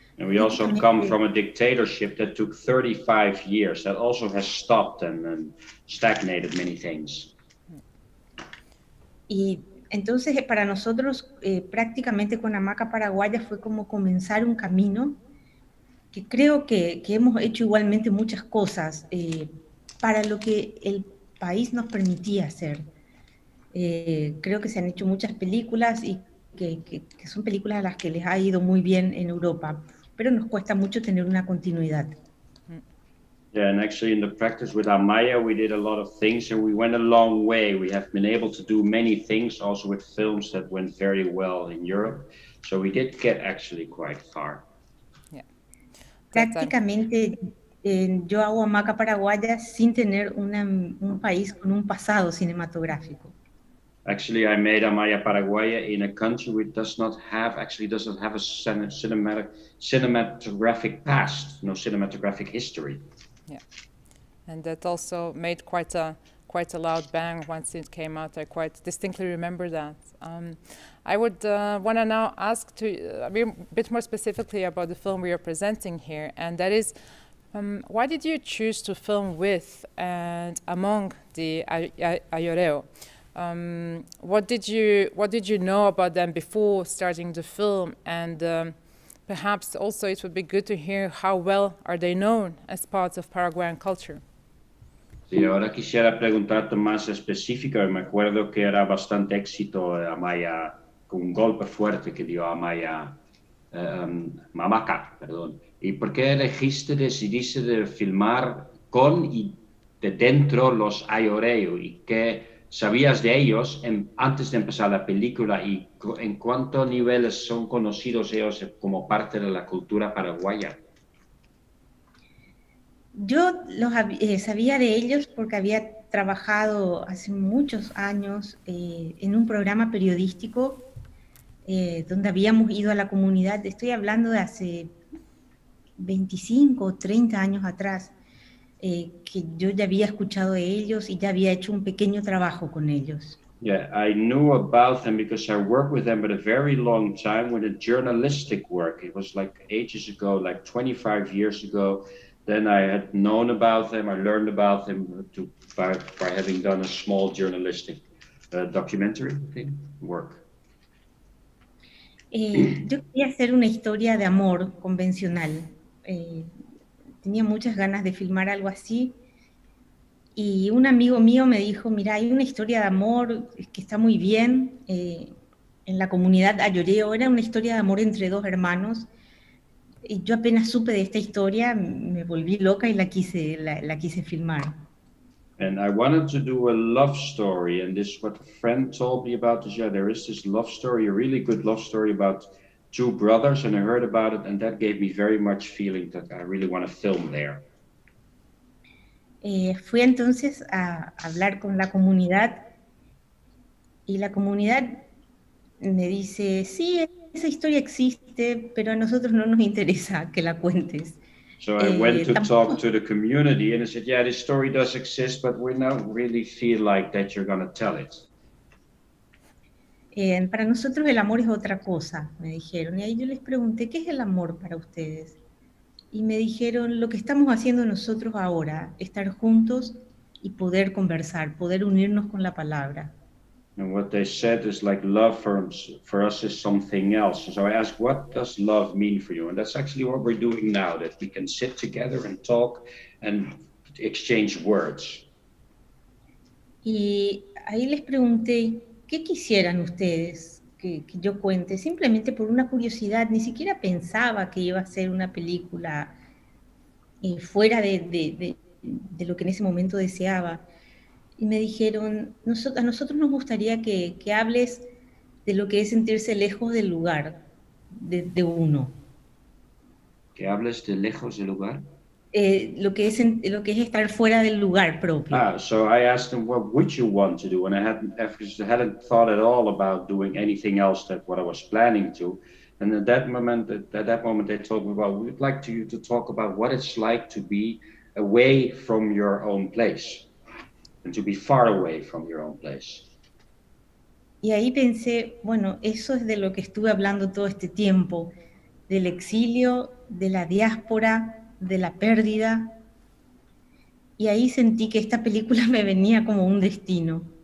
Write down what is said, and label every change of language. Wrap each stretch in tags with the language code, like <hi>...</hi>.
<en>And we also come from a dictatorship that took 35 years, that also has stopped and stagnated many things.</en> <es>Y entonces para nosotros, prácticamente con Amaca Paraguaya fue como comenzar un camino que creo que hemos hecho igualmente muchas cosas para lo que el país nos permitía hacer. Creo que se han hecho muchas películas y que son películas a las que les ha ido muy bien en Europa, pero nos cuesta mucho tener una continuidad.</es> <en>Yeah, and actually in the practice with Amaya, we did a lot of things and we went a long way. We have been able to do many things also with films that went very well in Europe. So we did get actually quite far. Yeah.</en> <es>Prácticamente yo hago Amaca Paraguaya sin tener un país con un pasado cinematográfico.</es> <en>Actually, I made Amaya Paraguaya in a country which doesn't have a cinematographic past, no cinematographic history. Yeah, and that also made quite a loud bang once it came out. I quite distinctly remember that. I would want to now ask to be a bit more specifically about the film we are presenting here, and that is, why did you choose to film with and among the Ayoreo? What did you know about them before starting the film, and perhaps also it would be good to hear how well are they known as part of Paraguayan culture.</en> <es>Sí, ahora quisiera preguntarte más específico. Me acuerdo que era bastante éxito Amaya, un golpe fuerte que dio Amaya, Mamaca, perdón. ¿Y por qué elegiste, decidiste de filmar con y de dentro los Ayoreo, y qué sabías de ellos antes de empezar la película, y en cuántos niveles son conocidos ellos como parte de la cultura paraguaya? Yo los sabía de ellos porque había trabajado hace muchos años en un programa periodístico donde habíamos ido a la comunidad. Estoy hablando de hace 25 o 30 años atrás. Que yo ya había escuchado de ellos y ya había hecho un pequeño trabajo con ellos.</es> <en>Yeah, I knew about them because I worked with them for a very long time with a journalistic work. It was like ages ago, like 25 years ago. Then I had known about them, I learned about them by having done a small journalistic documentary thing, work.</en> <es>Yo quería hacer una historia de amor convencional. Tenía muchas ganas de filmar algo así y un amigo mío me dijo, mira, hay una historia de amor que está muy bien en la comunidad Ayoreo, era una historia de amor entre dos hermanos y yo apenas supe de esta historia, me volví loca y la quise filmar.</es> <en>And I wanted to do a love story, and this is what a friend told me about this. Yeah, there is this love story, a really good love story about two brothers, and I heard about it, and that gave me very much feeling that I really want to film there.</en> <es>Fui entonces a hablar con la comunidad, y la comunidad me dice, sí, esa historia existe, pero a nosotros no nos interesa que la cuentes.</es> <en>So I went to talk to the community and I said, yeah, this story does exist, but we don't really feel like that you're going to tell it.</en> <es>Para nosotros el amor es otra cosa, me dijeron. Y ahí yo les pregunté, ¿qué es el amor para ustedes? Y me dijeron, lo que estamos haciendo nosotros ahora, estar juntos y poder conversar, poder unirnos con la palabra.</es> <en>And what they said is like love for us is something else. So I asked, what does love mean for you? And that's actually what we're doing now, that we can sit together and talk and exchange words.</en> <es>Y ahí les pregunté, ¿qué quisieran ustedes que yo cuente? Simplemente por una curiosidad, ni siquiera pensaba que iba a ser una película fuera de lo que en ese momento deseaba. Y me dijeron, a nosotros nos gustaría que hables de lo que es sentirse lejos del lugar, de uno. ¿Que hables de lejos del lugar? Lo que es estar fuera del lugar propio.</es> <en>Ah, so I asked them, what would you want to do? And I hadn't thought at all about doing anything else than what I was planning to. And at that moment they told me, well, we'd like you to talk about what it's like to be away from your own place. And to be far away from your own place.</en> <es>Y ahí pensé, bueno, eso es de lo que estuve hablando todo este tiempo, del exilio, de la diáspora, de la pérdida. Y ahí sentí que esta película me venía como un destino.</es>